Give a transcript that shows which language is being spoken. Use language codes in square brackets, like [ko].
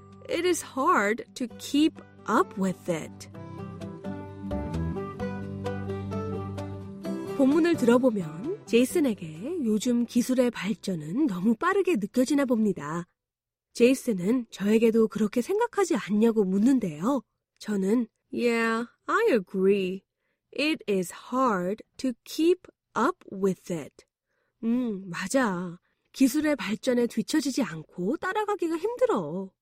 [en] It is hard to keep up with it. [ko] 본문을 들어보면 제이슨에게 요즘 기술의 발전은 너무 빠르게 느껴지나 봅니다. 제이슨은 저에게도 그렇게 생각하지 않냐고 묻는데요. 저는 [en] Yeah, I agree. It is hard to keep up with it. [ko] 맞아. 기술의 발전에 뒤처지지 않고 따라가기가 힘들어.